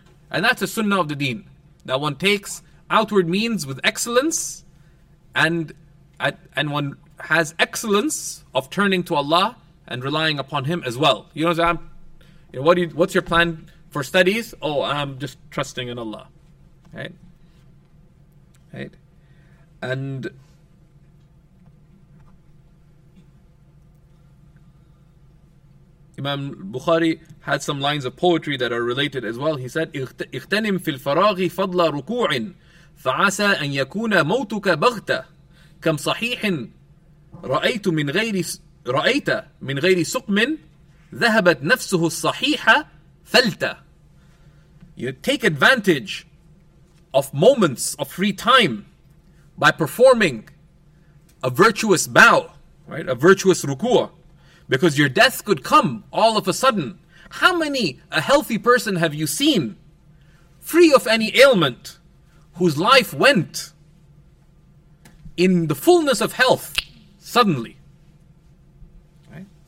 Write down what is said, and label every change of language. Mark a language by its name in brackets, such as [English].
[English] And that's a sunnah of the deen, that one takes outward means with excellence, and one has excellence of turning to Allah and relying upon Him as well. What's your plan for studies? Oh, I'm just trusting in Allah. Right? And Imam Bukhari had some lines of poetry that are related as well. He said, [Arabic] اغتنم في الفراغ فضل ركوع فعسى أن يكون موتك بغتة كم صحيح رأيت من غير سقم ذهبت نفسه الصحيحة فلتة [English] You take advantage of moments of free time by performing a virtuous bow, right? A virtuous ruku'a, because your death could come all of a sudden. How many a healthy person have you seen, free of any ailment, whose life went in the fullness of health suddenly? Right?